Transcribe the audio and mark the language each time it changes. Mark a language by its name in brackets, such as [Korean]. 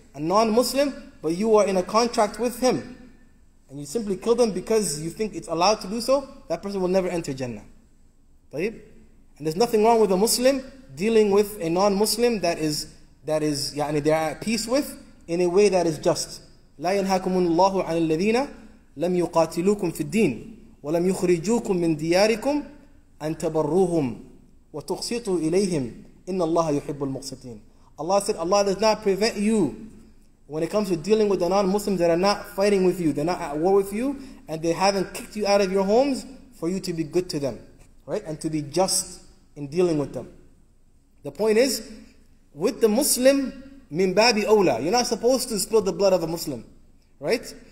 [English] A non-Muslim, but you are in a contract with him. And you simply kill them because you think it's allowed to do so, that person will never enter Jannah. Tayyib? And there's nothing wrong with a Muslim dealing with a non-Muslim that is, [Arabic] يعني, [English] they're at peace with, in a way that is just. [Arabic] لا ينهاكم الله عن الذين لم يقاتلوكم في الدين ولم يخرجوكم من دياركم أن تبروهم وتقسطوا إليهم إن الله يحب المقسطين. [English] Allah said, Allah does not prevent you when it comes to dealing with the non-Muslims that are not fighting with you, they're not at war with you, and they haven't kicked you out of your homes, for you to be good to them, right? And to be just in dealing with them. The point is, with the Muslim, min babi awla, you're not supposed to spill the blood of a Muslim, right?